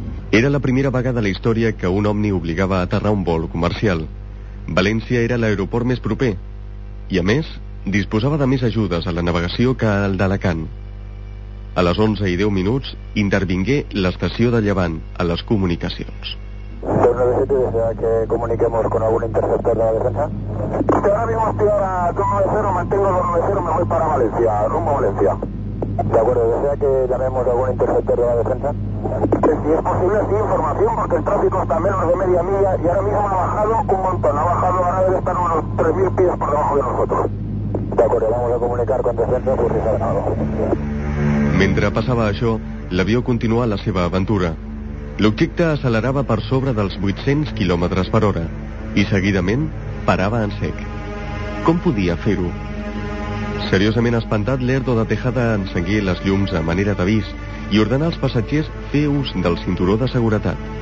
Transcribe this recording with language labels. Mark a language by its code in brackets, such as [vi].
[ca] Era la primera vegada a la història que un ovni obligava a aterrar un vol comercial. València era l'aeroport més proper i, a més, disposava de més ajudes a la navegació que el d'Alacant. A les 11:10, intervingué l'estació de Llevant a les comunicacions. [es] ¿Tú no desea que comuniquemos con algún interceptor de la defensa? Ahora mismo estoy a 290, mantengo 290, me voy para Valencia, rumbo a Valencia. De acuerdo, ¿desea que llamemos a algún interceptor de la defensa? Si es posible, sí, información, porque el tráfico está a menos de media milla y ahora mismo ha bajado un montón, ha bajado, ahora debe estar unos 3.000 pies por debajo de nosotros. De acuerdo, vamos a comunicar con defensa por si se ha ganado. [ca] Mentre passava això, l'avió continuà la seva aventura. L'objecte accelerava per sobre dels 800 km per hora i seguidament parava en sec. Com podia fer-ho? Seriosament espantat, Lerdo de Tejada encengué les llums a manera d'avís i ordenà als passatgers fer ús del cinturó de seguretat.